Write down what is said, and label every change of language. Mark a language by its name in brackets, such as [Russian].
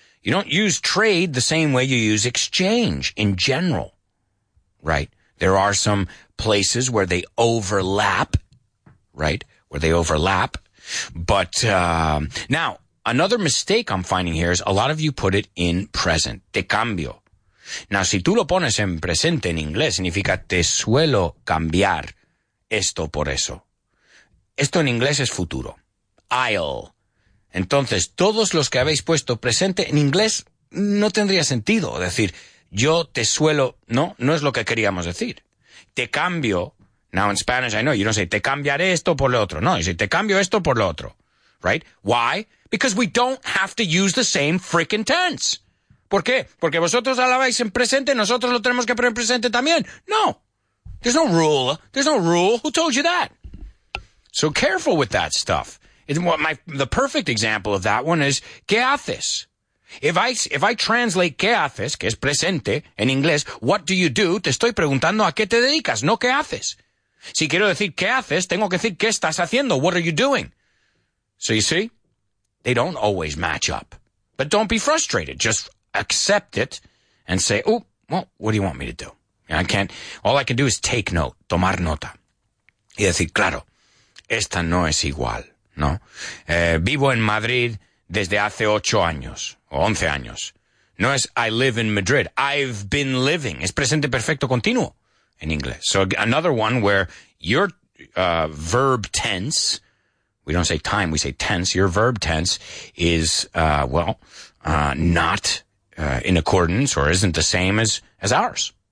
[English] You don't use trade the same way you use exchange in general, right? There are some places where they overlap, right? Where they overlap. But now, another mistake I'm finding here is a lot of you put it in present. [Spanish] Te cambio. Now, si tú lo pones en presente en inglés, significa te suelo cambiar esto por eso. Esto en inglés es futuro. I'll. Entonces, todos los que habéis puesto presente en inglés no tendría sentido decir yo te suelo. No, no es lo que queríamos decir. Te cambio. Now in Spanish, I know you don't say te cambiaré esto por lo otro. No, you say te cambio esto por lo otro. Right? Why? [English] Because we don't have to use the same freaking tense. [Spanish] ¿Por qué? Porque vosotros hablabais en presente, nosotros lo tenemos que poner en presente también. No. [English] There's no rule. There's no rule. Who told you that? So careful with that stuff. The perfect example of that one is, ¿qué haces? [Spanish] If I translate ¿qué haces?, que es presente, en inglés, what do you do?, te estoy preguntando a qué te dedicas, no ¿qué haces? Si quiero decir ¿qué haces?, tengo que decir ¿qué estás haciendo?, what are you doing? [English] So you see, they don't always match up. But don't be frustrated, just accept it and say, oh, well, what do you want me to do? I can't, all I can do is take note, tomar nota. [Spanish] Y decir, claro, esta no es igual, ¿no? Vivo en Madrid desde hace 8 años, o 11 años. No es I live in Madrid, I've been living. Es presente perfecto continuo en inglés. [English] So another one where your verb tense, we don't say time, we say tense, your verb tense is, not in accordance or isn't the same as ours.